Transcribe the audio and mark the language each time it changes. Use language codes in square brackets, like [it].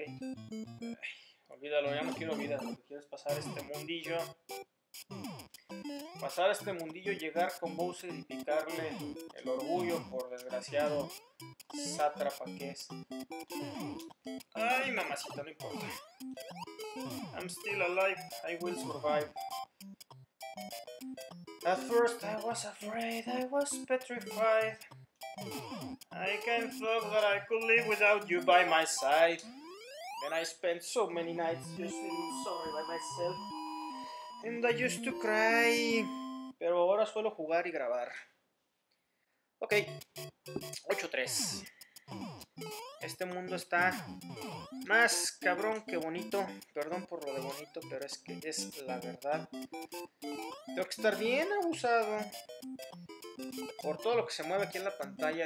[es] Ay, olvídalo, ya no quiero vida. Lo que quiero es pasar este mundillo. Pasar a este mundillo, llegar con Bowser y picarle el orgullo por desgraciado sátrapa que es. Ay, mamacita, no importa. [en] I'm still alive, I will survive. At first I was afraid, I was petrified. I can't think that I could live without you by my side. And I spent so many nights just feeling sorry by myself. And I used to cry. [es] Pero ahora suelo jugar y grabar. Ok. 8-3. Este mundo está más cabrón que bonito. Perdón por lo de bonito, pero es que es la verdad. Tengo que estar bien abusado por todo lo que se mueve aquí en la pantalla.